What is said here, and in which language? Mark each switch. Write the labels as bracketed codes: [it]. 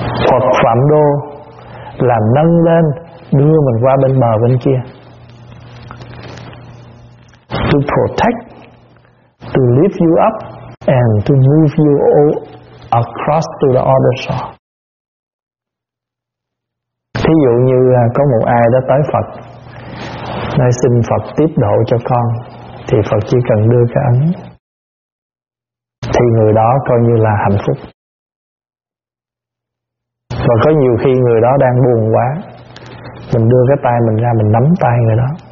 [vi] Phật Phạm Đô là nâng lên, đưa mình qua bên bờ bên kia. [en] To protect, to lift you up and to move you all across to the other shore. [vi] Thí dụ như có một ai đã tới Phật, nói xin Phật tiếp độ cho con, thì Phật chỉ cần đưa cái ấn, thì người đó coi như là hạnh phúc. Và có nhiều khi người đó đang buồn quá, mình đưa cái tay mình ra, mình nắm tay người đó.